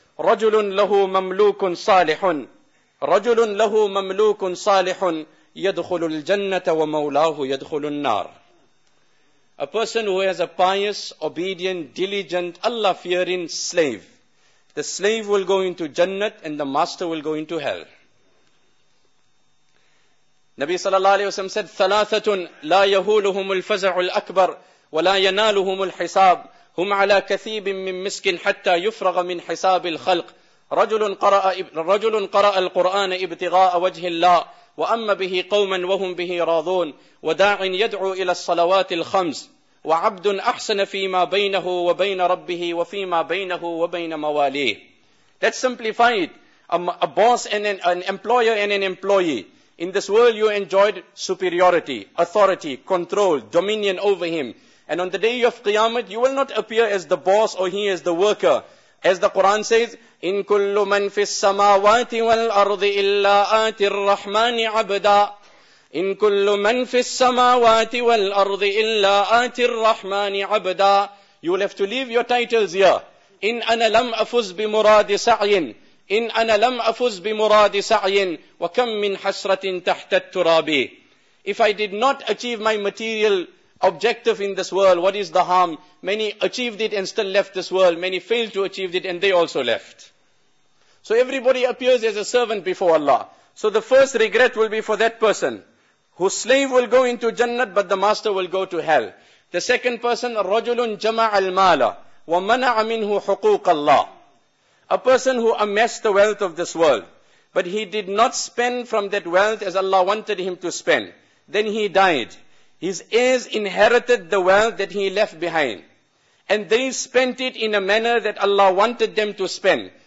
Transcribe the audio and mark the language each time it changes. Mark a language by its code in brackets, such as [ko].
[ar] رَجُلٌ لَهُ مَمْلُوكٌ صَالِحٌ رَجُلٌ لَهُ مَمْلُوكٌ صَالِحٌ يَدْخُلُ الْجَنَّةَ وَمَوْلَاهُ يَدْخُلُ النَّارِ. [en] A person who has a pious, obedient, diligent, Allah-fearing slave. The slave will go into Jannat and the master will go into hell. Nabi sallallahu alayhi wa sallam said, [ar] ثَلَاثَةٌ لَا يَهُولُهُمُ الْفَزَعُ الْأَكْبَرُ وَلَا يَنَالُهُمُ الْحِسَابُ هُمْ عَلَىٰ كَثِيبٍ مِّن مِسْكٍ حَتَّى يُفْرَغَ مِّن حِسَابِ الْخَلْقِ رَجُلٌ قَرَأَ الْقُرْآنَ ابْتِغَاءَ وَجْهِ اللَّهِ وَأَمَّ بِهِ قَوْمًا وَهُمْ بِهِ رَاضُونَ وَدَاعٍ يَدْعُو إِلَى الصَّلَوَاتِ الْخَمْسِ وَعَبْدٌ أَحْسَنَ فِي مَا بَيْنَهُ وَبَيْنَ رَبِّهِ وَفِي مَا بَيْنَهُ وَبَيْنَ مَوَالِيهِ. [en] Let's simplify it. A boss and an employer and an employee. In this world you enjoyed superiority, authority, control, dominion over him. And on the day of Qiyamah you will not appear as the boss or he as the worker. As the Quran says, [ar] إِن كُلُّ مَن فِي السَّمَاوَاتِ وَالْأَرْضِ إِلَّا آتِ الرَّحْمَنِ عَبْدًا إِن كُلُّ مَن فِي السَّمَاوَاتِ وَالْأَرْضِ إِلَّا آتِ الرَّحْمَنِ عَبْدًا. [en] You will have to leave your titles here. [ar] إِن أَنَا لَمْ أَفُزْ بِمُرَادِ سَعْيٍ إِن أَنَا لَمْ أَفُزْ بِمُرَادِ سَعْيٍ وَكَمْ مِنْ حَسْرَةٍ تَحْتَ التُّرَابِ. [en] If I did not achieve my material objective in this world, what is the harm? Many achieved it and still left this world. Many failed to achieve it and they also left. So everybody appears as a servant before Allah. So the first regret will be for that person, whose slave will go into Jannat, but the master will go to hell. The second person, [ar] رَجُلٌ جَمَعَ الْمَالَ وَمَنَعَ مِنْهُ حُقُوقَ اللَّهِ. [en] A person who amassed the wealth of this world, but he did not spend from that wealth as Allah wanted him to spend. Then he died. His heirs inherited the wealth that he left behind. And they spent it in a manner that Allah wanted them to spend.